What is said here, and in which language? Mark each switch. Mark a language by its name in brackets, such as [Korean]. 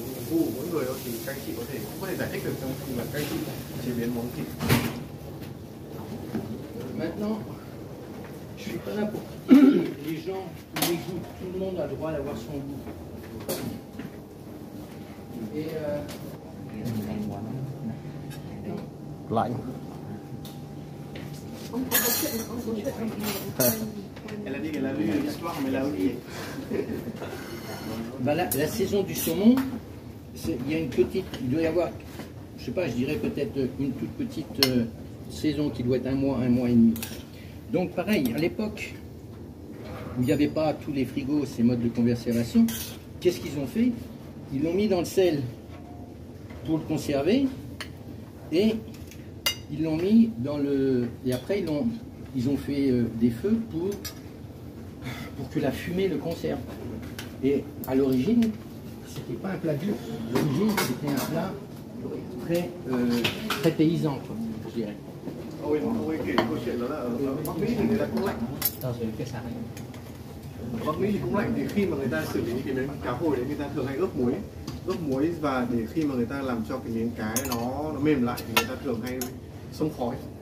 [Vietnamese] khu của mỗi người thôi, thì các anh chị có thể cũng có thể giải thích được trong khi mà các anh chị chế biến món thịt. [French] Maintenant, je suis pas là pour les gens, les goûts, tout le monde a le droit d'avoir son goût. [Vietnamese] Lạnh. [French] Ben la saison du saumon, il y a une petite, il doit y avoir, je sais pas, je dirais peut-être une toute petite saison qui doit être un mois et demi. Donc pareil, à l'époque où il n'y avait pas tous les frigos, ces modes de conservation, qu'est-ce qu'ils ont fait? Ils l'ont mis dans le sel pour le conserver et ils l'ont mis dans le... Et après, ils ont fait des feux pour que la fumée le conserve. Et à l'origine, ce n'était pas un plat dur. À l'origine, c'était un plat très, très paysan, quoi, je dirais. [Vietnamese] Bắc Mỹ thì cũng lạnh thì khi mà người ta xử lý cái miếng cá hồi đấy, người ta thường hay ướp muối. Ướp muối và để khi mà người ta làm cho cái miếng cá nó mềm lại thì người ta thường hay xông khói.